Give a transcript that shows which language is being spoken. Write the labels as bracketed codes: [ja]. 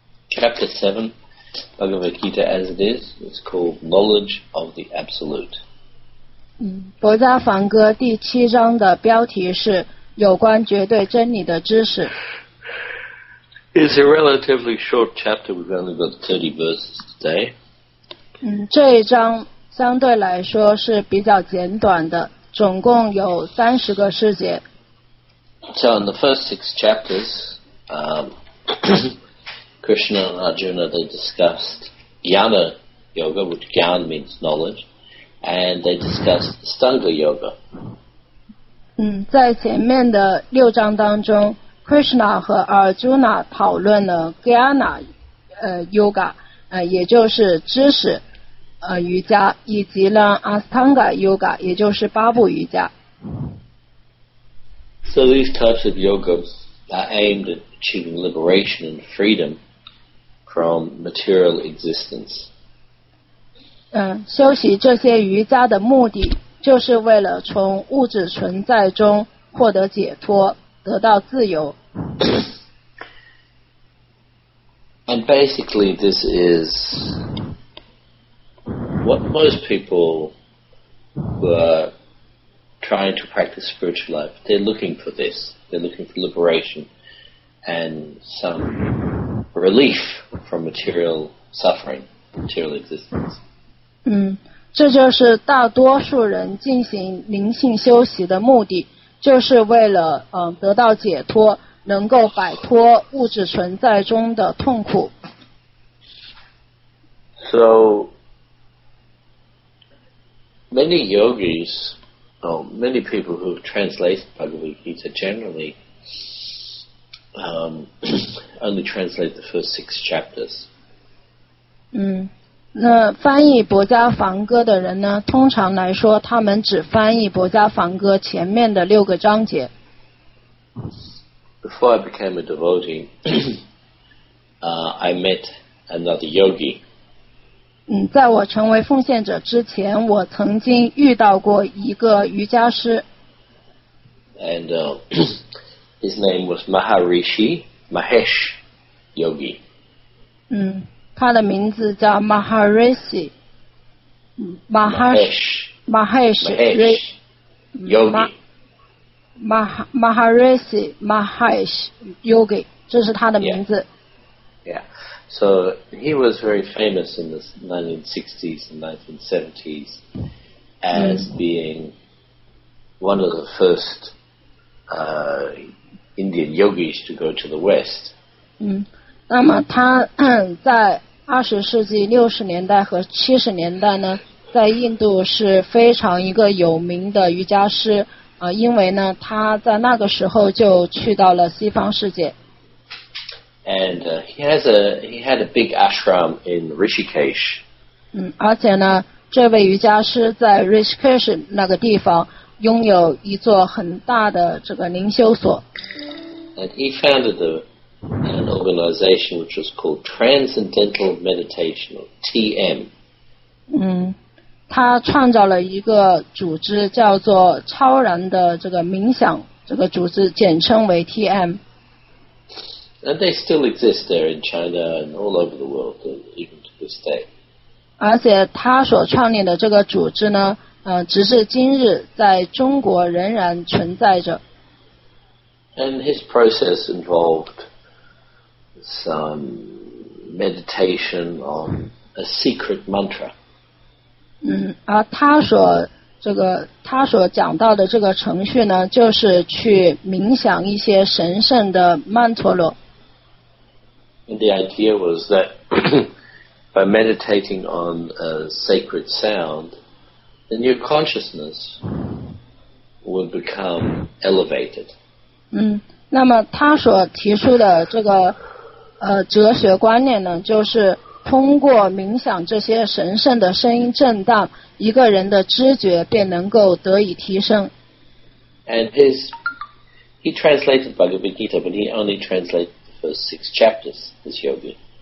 [en] Chapter 7, Bhagavad Gita as it is, it's called Knowledge of the Absolute. [zh] 博迦梵歌第七章的标题是有关绝对真理的知识。 [en] It's a relatively short chapter. We've only got 30 verses today. [zh] 这一章相对来说是比较简短的，总共有30个诗节。 [en] So in the first six chapters, Krishna and Arjuna, they discussed Jnana Yoga, which Jnana means knowledge, and they discussed Stanga Yoga. [zh] 在前面的六章当中，Krishna 和 Arjuna 讨论了 Jnana Yoga， 也就是知识瑜伽，以及了 Astanga Yoga， 也就是八步瑜伽。 [en] So these types of yogas are aimed at achieving liberation and freedom from material existence. [zh] 修习这些瑜伽的目的就是为了从物质存在中获得解脱，得到自由。 [en] And basically this is what most people who are trying to practice spiritual life, they're looking for this. They're looking for liberation and some relief from material suffering, material existence. [zh] 这就是大多数人进行灵性修习的目的，就是为了得到解脱，能够摆脱物质存在中的痛苦。 [en] So many yogis, or many people who have translated Bhagavad Gita generally only translate the first six chapters. [zh] 那翻译《博迦梵歌》的人呢，通常来说，他们只翻译《博迦梵歌》前面的六个章节。 [en] Before I became a devotee, I met another yogi. [zh] 在我成为奉献者之前，我曾经遇到过一个瑜伽师。 [en] And his name was Maharishi Mahesh Yogi. [zh] 他的名字叫 Maharishi Mahesh YogiMaharishi Mahesh Yogi， 这是他的名字。 [en] Yeah. So he was very famous in the 1960s and 1970s as being one of the first Indian yogis to go to the West. [zh] 那么他在20世纪60年代和70年代呢，在印度是非常一个有名的瑜伽师。因为呢，他在那个时候就去到了西方世界。 [en] And he had a big ashram in Rishikesh. [zh] 而且呢，这位瑜伽师在 Rishikesh 那个地方拥有一座很大的这个灵修所。 [en] And he founded an organization which was called Transcendental Meditation, or TM. [zh] 他创造了一个组织叫做超然的这个冥想，这个组织简称为 TM。 [en] And they still exist there in China and all over the world, even to this day. [zh] 而且他所创立的这个组织呢，直至今日在中国仍然存在着。 [en] And his process involved some meditation on a secret mantra. [zh] 而他所讲到的这个程序呢，就是去冥想一些神圣的曼陀罗。 [en] And the idea was that by meditating on a sacred sound, then your consciousness will become elevated. [zh] 嗯，那么他所提出的这个哲学观念呢，就是通过冥想这些神圣的声音震荡，一个人的知觉便能够得以提升。 [en] And he translated Bhagavad Gita, but he only translated the first six chapters, this yogi.